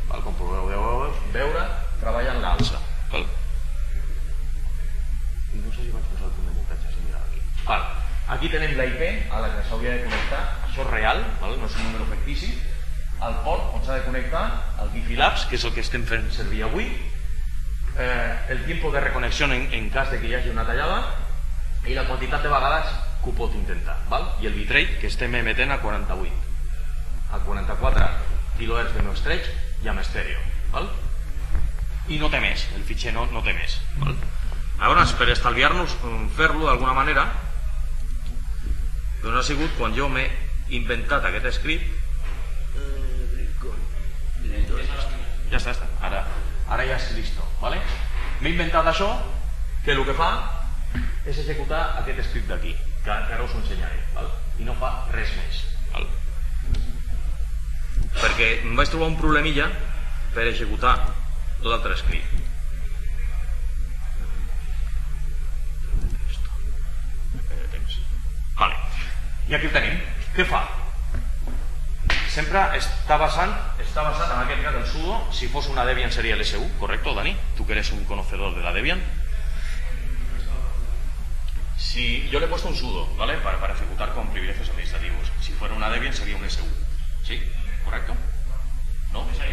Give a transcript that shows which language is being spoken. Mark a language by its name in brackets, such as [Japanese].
[Catalan] Val? Com podeu veure, treballa en l'alça. Vale. No sé si vaig posar el punt de muntatge, si mirava aquí. Vale. Aquí tenim la IP a la que s'hauria de connectar. Això és real, vale? No és un número fictici. El port on s'ha de connectar, el Wifi Labs, que és el que estem fent servir avui. [Spanish] El tiempo de reconexión [Catalan] en cas de que hi hagi una tallada. I la quantitat de vegades que ho pot intentar, val? I el bitrate que estem emetent a 48, a 44 kHz de no-stretch i amb estèreo, val? I no té més, el fitxer no té més, val? Llavors, per estalviar-nos, fer-lo d'alguna manera, doncs ha sigut quan jo m'he inventat aquest script. Ja està, ja està. Ara ja és listo, vale? M'he inventat això, que el que fa és executar aquest script d'aquí, que ara us ho ensenyaré, val? I no fa res més. Val. Perquè em vaig trobar un problemilla per executar tot l'altre script. Vale. I aquí el tenim. Què fa? Sempre està basat en aquest cas del sudo, si fos una Debian seria l'SU, correcto, Dani? [Spanish] Tu que eres un conocedor de la Debian. Si yo le he puesto un sudo, ¿vale? Para ejecutar con privilegios administrativos. Si fuera una Debian sería un SU. ¿Sí? ¿Correcto? ¿No?